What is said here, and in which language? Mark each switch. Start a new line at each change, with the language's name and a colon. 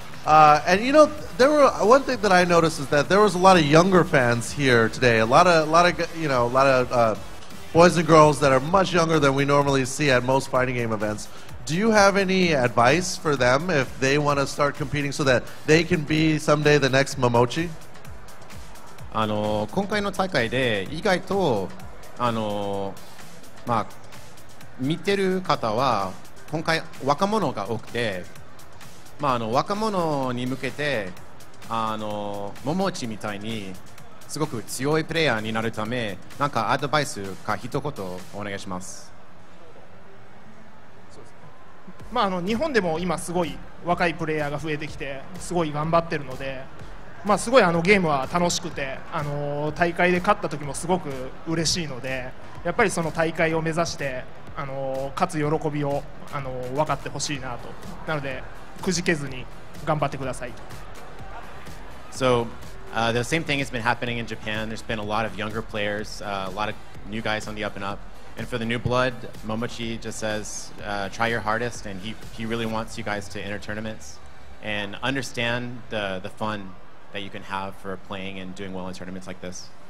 English: And you know, there were one thing that I noticed is that there was a lot of younger fans here today. A lot of boys and girls that are much younger than we normally see at most fighting game events. Do you have any advice for them if they want to start competing so that they can be someday the next Momochi?
Japanese: あの、今回の大会で意外と、あの、まあ、見てる方は今回若者が多くて、まあ、あの、若者に向けて、あの、Momochiみたいにすごく強いプレイヤーになるため、なんかアドバイスか一言お願いします。まあ、あの、日本でも今すごい若いプレイヤーが増えてきてすごい頑張ってるので、まあ、すごいあのゲームは楽しくて、あの、大会で勝った時もすごく嬉しいので、やっぱりその大会を目指して、あの、勝つ喜びを、あの、分かってほしいなと。なのでくじけずに頑張ってくださいと。
English: So, the same thing has been happening in Japan. There's been a lot of younger players, a lot of new guys on the up and upAnd for the new blood, Momochi just says, try your hardest, and he really wants you guys to enter tournaments and understand the fun that you can have for playing and doing well in tournaments like this.